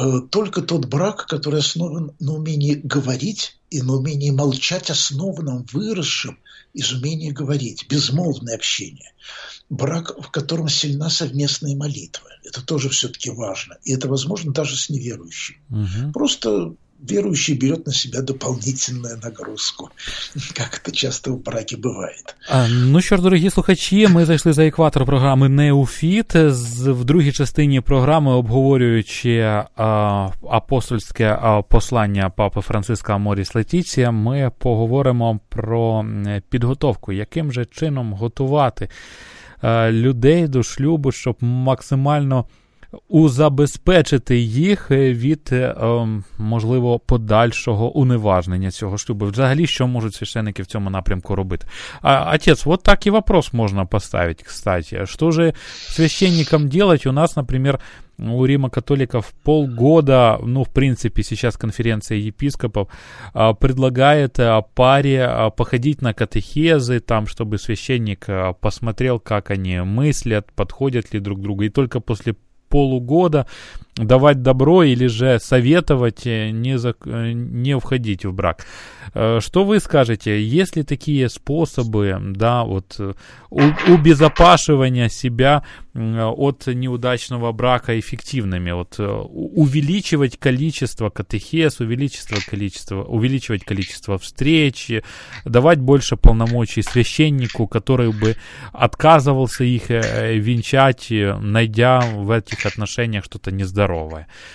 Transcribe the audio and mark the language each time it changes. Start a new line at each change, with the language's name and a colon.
Russian: Только тот брак, который основан на умении говорить и на умении молчать, основанном, выросшем из умения говорить, безмолвное общение. Брак, в котором сильна совместная молитва. Это тоже все-таки важно. И это возможно даже с неверующим. Угу. Просто верующий берет на себя дополнительную нагрузку, как это часто в браке бывает.
Ukrainian: Ну що ж, дорогі слухачі, ми зайшли за екватор програми «Неофіт». В другій частині програми, обговорюючи апостольське послання папи Франциска Аморіс Летіція, ми поговоримо про підготовку. Яким же чином готувати людей до шлюбу, щоб максимально узабезпечити їх від, можливо, подальшого уневажнення цього шлюбу. Взагалі, що можуть священники в цьому напрямку робити? А, отець, от так і вопрос можна поставити, кстати. Що ж священникам робити? У нас, наприклад, у Рима-католиков полгода, ну, в принципі, зараз конференція єпископів предлагає парі походити на катехези, там, щоб священник посмотрел, як вони мислять, підходять ли друг другу. І тільки після полугода
Russian: давать добро или же советовать не входить в брак. Что вы скажете, есть ли такие способы, да, вот убезопашивания себя от неудачного брака эффективными, вот увеличивать количество катехез, увеличивать количество встреч, давать больше полномочий священнику, который бы отказывался их венчать, найдя в этих отношениях что-то нездоровое.